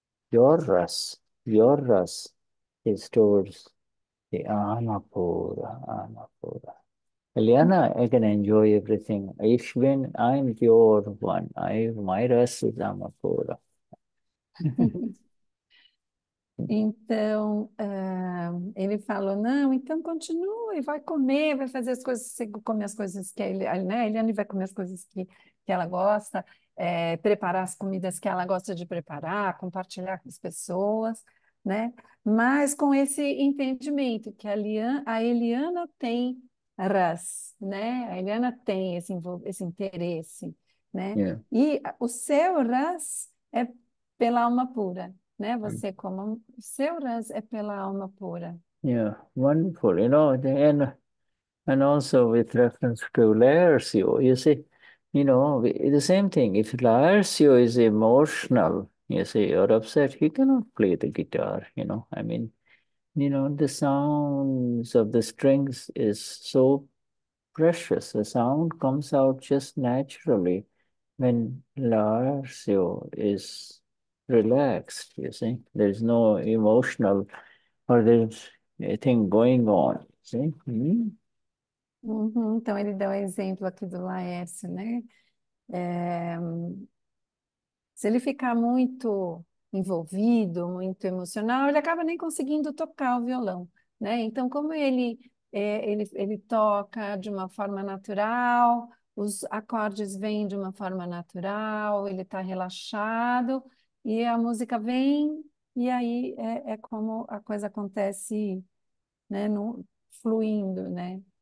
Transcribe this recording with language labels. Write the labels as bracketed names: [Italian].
[English] Your ras is towards the Anapura. Eliana, I can enjoy everything. If when I'm your one, my ras is Anapura. [Portuguese] Então, ele falou, não, então continue, vai comer, vai fazer as coisas, comer as coisas que a Eliane vai comer as coisas que ela gosta, preparar as comidas que ela gosta de preparar, compartilhar com as pessoas, né? Mas com esse entendimento que a Eliana tem ras, né? A Eliana tem esse interesse, né? E o seu ras é pela alma pura, né? Você como seu ras é pela alma pura. [English] Wonderful, and also with reference to Laercio, you see, the same thing. If Laercio is emotional, you see, or upset, he cannot play the guitar, I mean, the sounds of the strings is so precious. The sound comes out just naturally when Laercio is relaxed, you see, there's no emotional or there's anything going on, see? [Portuguese] Então ele deu um exemplo aqui do Laércio, né? Se ele ficar muito envolvido, muito emocional, ele acaba nem conseguindo tocar o violão, né? Então, como ele toca de uma forma natural, os acordes vêm de uma forma natural, ele está relaxado e a música vem, e aí é como a coisa acontece, né, no fluindo, né?